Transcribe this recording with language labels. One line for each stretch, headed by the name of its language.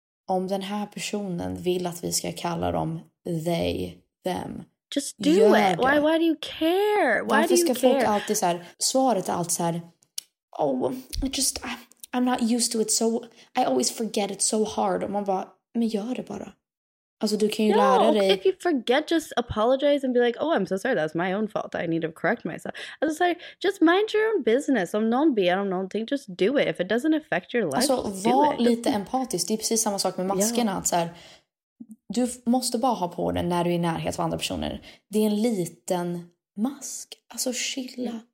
Swedish: Om den här personen vill att vi ska kalla dem they, them.
English: Just do it. Det. Why do you care? Why
Swedish: varför
English: do you care?
Swedish: Folk alltid så här,
English: svaret är alltid så här, oh, I'm not used to it so, I always forget it so hard.
Swedish: Och man bara, men gör det bara. Alltså du kan ju lära dig.
English: If you forget, just apologize and be like, oh, I'm so sorry, that's my own fault. I need to correct myself.
Swedish: Alltså så här,
English: just mind your own business.
Swedish: Om någon ber om någonting,
English: just do it. If it doesn't affect your life,
Swedish: alltså,
English: do it.
Swedish: Alltså var lite empatisk. Det är precis samma sak med maskerna. Yeah. Att så här, du måste bara ha på den när du är i närhet av andra personer. Det är en liten mask. Alltså chilla.